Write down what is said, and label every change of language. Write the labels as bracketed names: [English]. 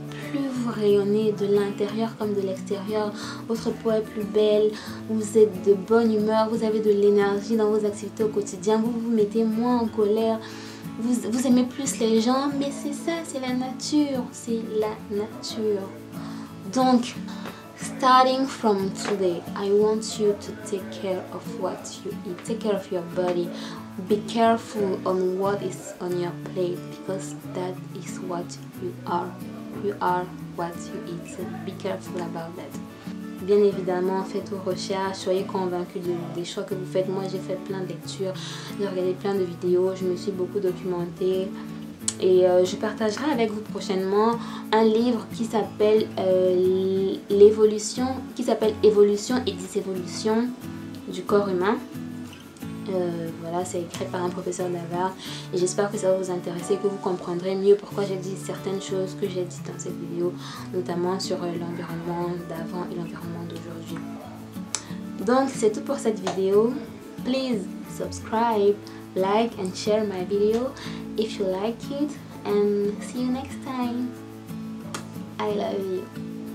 [French] Plus vous rayonnez de l'intérieur comme de l'extérieur, votre peau est plus belle, vous êtes de bonne humeur, vous avez de l'énergie dans vos activités au quotidien, vous vous mettez moins en colère, vous aimez plus les gens, mais c'est ça, c'est la nature, c'est la nature. Donc, [English] starting from today, I want you to take care of what you eat, take care of your body. Be careful on what is on your plate, because that is what you are. You are what you eat. Be careful about that. [French] Bien évidemment, faites vos recherches, soyez convaincus des choix que vous faites. Moi, j'ai fait plein de lectures, j'ai regardé plein de vidéos, je me suis beaucoup documentée. Et je partagerai avec vous prochainement un livre qui s'appelle L'évolution, qui s'appelle Évolution et Disévolution du corps humain. Voilà, c'est écrit par un professeur d'Harvard et j'espère que ça va vous intéresser, que vous comprendrez mieux pourquoi j'ai dit certaines choses que j'ai dites dans cette vidéo, notamment sur l'environnement d'avant et l'environnement d'aujourd'hui. Donc c'est tout pour cette vidéo. [English] Please subscribe, like and share my video if you like it, and see you next time. I love you.